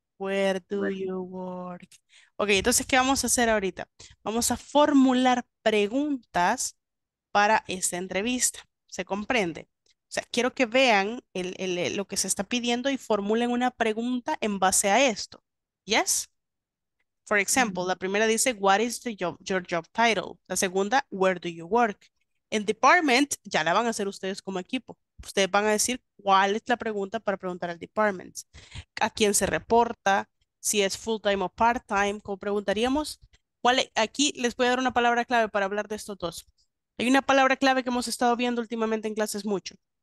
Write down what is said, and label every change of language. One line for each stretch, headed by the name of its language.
English: Where do you work?
Spanish: Ok, entonces, ¿qué vamos a hacer ahorita? Vamos a formular preguntas para esta entrevista. ¿Se comprende? O sea, quiero que vean lo que se está pidiendo y formulen una pregunta en base a esto.
English: ¿Yes? For example,
Spanish: la primera dice,
English: what is the job, your job title?
Spanish: La segunda,
English: where do you work?
Spanish: En department, ya la van a hacer ustedes como equipo. Ustedes van a decir cuál es la pregunta para preguntar al department. ¿A quién se reporta? ¿Si es full time o part time? ¿Cómo preguntaríamos? ¿Cuál es? Aquí les voy a dar una palabra clave para hablar de estos dos. Hay una palabra clave que hemos estado viendo últimamente en clases mucho.